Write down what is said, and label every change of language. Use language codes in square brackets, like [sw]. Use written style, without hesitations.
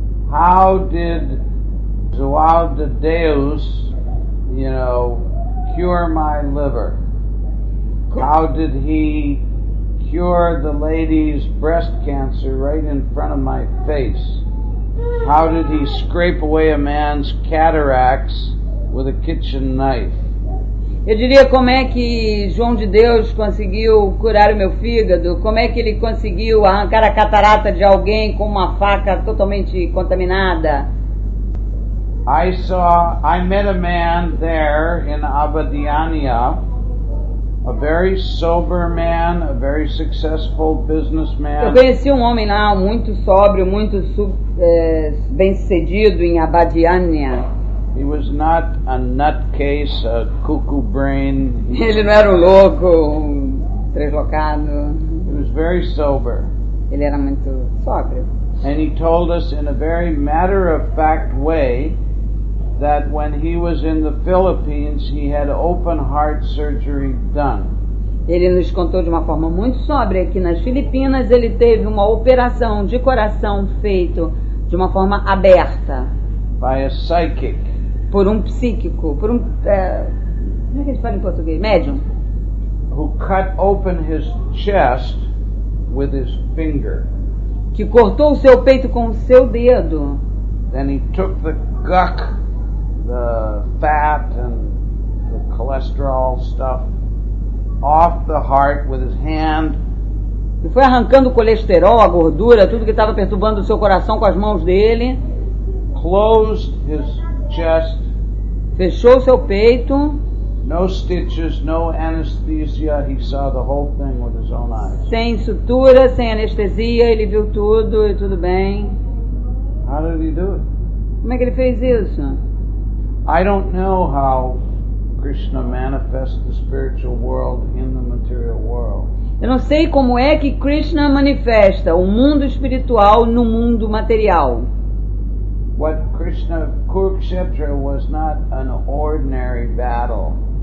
[en] how did João de Deus, you know, cure my liver? How did he cure the lady's breast cancer right in front of my face? How did he scrape away a man's cataracts with a kitchen knife? [pt] Eu diria como é que João de Deus conseguiu curar o meu fígado? Como é que ele conseguiu arrancar a catarata de alguém com uma faca totalmente contaminada? [en] I met a man there in Abadiania, a very sober man, a very successful businessman. [pt] Eu conheci um homem lá, muito sóbrio, muito bem-sucedido em Abadiania. [en] He was not a nutcase, a cuckoo brain. [pt] Ele não era louco, translocado. [en] He was very sober. [pt] Ele era muito sóbrio. [en] And he told us in a very matter-of-fact way that when he was in the Philippines, he had open heart surgery done. [pt] Ele nos contou de uma forma muito sóbria que nas Filipinas ele teve uma operação de coração feito de uma forma aberta. [en] By a psychic. [pt] Por um psíquico, por um, como é que a gente fala em português? Médium. [en] Who cut open his chest with his finger. [pt] Que cortou o seu peito com o seu dedo. [en] Then he took the guck, the fat and the cholesterol stuff off the heart with his hand. [pt] E foi arrancando o colesterol, a gordura, tudo que estava perturbando o seu coração com as mãos dele. [en] Closed his chest. [pt] Fechou seu peito. [en] No stitches, no anesthesia. He saw the whole thing with his own eyes. [pt] Sem sutura, sem anestesia, ele viu tudo e tudo bem. [en] How did he do it? [pt] Como é que ele fez isso? [en] I don't know how Krishna manifests the spiritual world in the material world. [pt] Eu não sei como é que Krishna manifesta o mundo espiritual no mundo material. [en] What Krishna, Kurukshetra was not an ordinary battle.